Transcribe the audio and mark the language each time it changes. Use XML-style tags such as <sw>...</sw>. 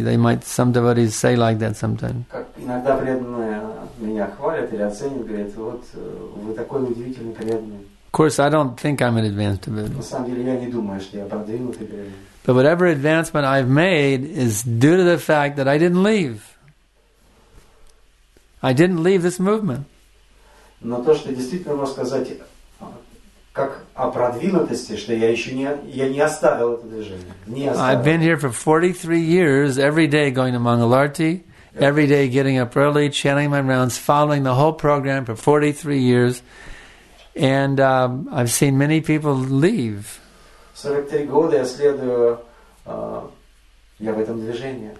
<en>They might, some devotees say like that sometimes. Of course, I don't think I'm an advanced devotee. But whatever advancement I've made is due to the fact that I didn't leave. I didn't leave this movement.</en> <ru>Но то, что действительно можно сказать, как о продвинутости, что я не оставил это движение.</ru> <en>I've been here for 43 years, every day going to Mangalarti, every day getting up early, chanting my rounds, following the whole program for 43 years, and I've seen many people leave.</en> <ru>43 года я следую, я в этом движении.</ru>